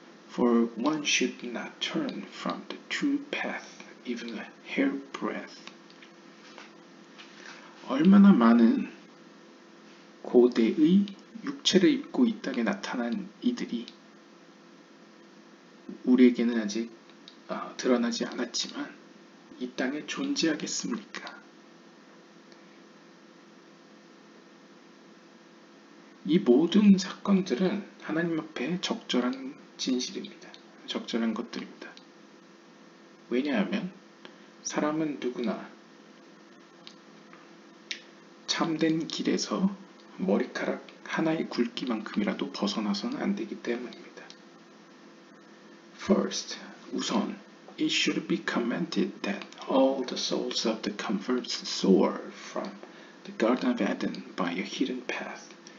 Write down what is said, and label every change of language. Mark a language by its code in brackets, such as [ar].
[en] For one should not turn from the true path, even a hairbreadth. [ko] 얼마나 많은 고대의 육체를 입고 이 땅에 나타난 이들이 우리에게는 아직 드러나지 않았지만 이 땅에 존재하겠습니까? 이 모든 사건들은 하나님 앞에 적절한 진실입니다. 적절한 것들입니다. 왜냐하면 사람은 누구나 참된 길에서 머리카락 하나의 굵기만큼이라도 벗어나서는 안 되기 때문입니다. [en] First, [ko] 우선, [en] it should be commanded that all the souls of the converts soar from the Garden of Eden by a hidden path.